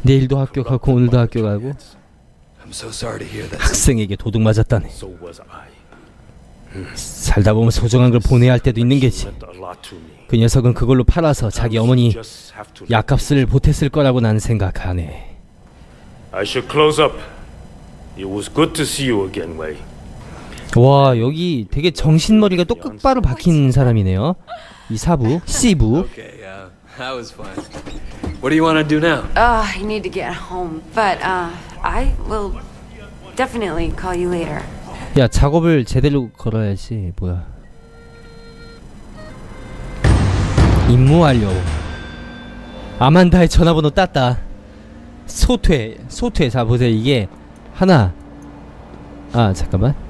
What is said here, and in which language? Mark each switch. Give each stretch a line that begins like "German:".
Korean: 내일도 학교 가고 오늘도 학교 가고.
English: I'm so sorry to hear that.
Korean: 학생에게 도둑 맞았다네.
English: So was I.
Korean: 살다 보면 소중한 걸 보내야 할 때도 있는 게지. 그 녀석은 그걸로 팔아서 자기 어머니 약값을 보탰을 거라고 난 생각하네.
English: I should close up. It was good to see you again, Wei.
Korean: 와, 여기 되게 정신머리가 또 끝바로 박힌 사람이네요. 이 사부, 시부.
English: Okay, that was fun. What do you want to do now? I need to get home, but I will definitely call you later.
Korean: 야, 작업을 제대로 걸어야지. 뭐야? 임무 완료. 아만다의 전화번호 땄다. 소퇴, 소퇴. 자, 보세요. 이게 하나. 아, 잠깐만.